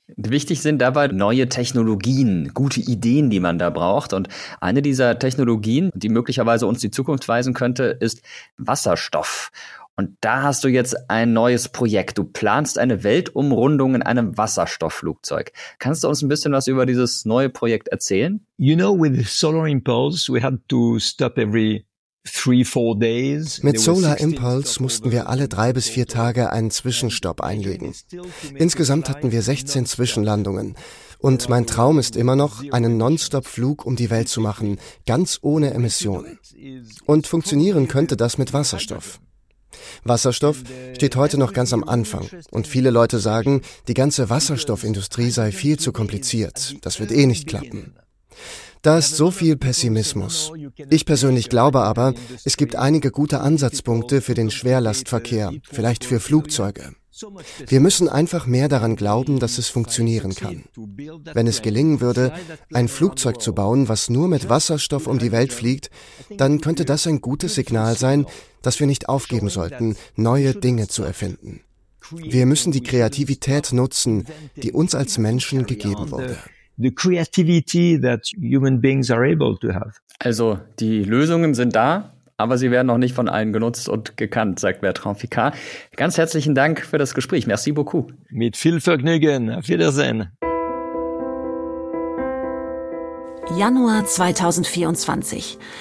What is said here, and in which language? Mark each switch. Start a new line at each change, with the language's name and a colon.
German: Wichtig sind dabei neue Technologien, gute Ideen, die man da braucht. Und eine dieser Technologien, die möglicherweise uns die Zukunft weisen könnte, ist Wasserstoff. Und da hast du jetzt ein neues Projekt. Du planst eine Weltumrundung in einem Wasserstoffflugzeug. Kannst du uns ein bisschen was über dieses neue Projekt erzählen?
English: You know, with Solar Impulse, we had to stop every 3-4 days.
German: Mit Solar Impulse mussten wir alle 3 bis 4 Tage einen Zwischenstopp einlegen. Insgesamt hatten wir 16 Zwischenlandungen. Und mein Traum ist immer noch, einen Nonstop-Flug um die Welt zu machen, ganz ohne Emissionen. Und funktionieren könnte das mit Wasserstoff. Wasserstoff steht heute noch ganz am Anfang. Und viele Leute sagen, die ganze Wasserstoffindustrie sei viel zu kompliziert. Das wird eh nicht klappen. Da ist so viel Pessimismus. Ich persönlich glaube aber, es gibt einige gute Ansatzpunkte für den Schwerlastverkehr, vielleicht für Flugzeuge. Wir müssen einfach mehr daran glauben, dass es funktionieren kann. Wenn es gelingen würde, ein Flugzeug zu bauen, was nur mit Wasserstoff um die Welt fliegt, dann könnte das ein gutes Signal sein, dass wir nicht aufgeben sollten, neue Dinge zu erfinden. Wir müssen die Kreativität nutzen, die uns als Menschen gegeben wurde.
English: The creativity that human beings are able to have.
German: Also, die Lösungen sind da, aber sie werden noch nicht von allen genutzt und gekannt, sagt Bertrand Piccard. Ganz herzlichen Dank für das Gespräch.
French: Merci beaucoup.
German: Mit viel Vergnügen. Auf Wiedersehen. Januar 2024.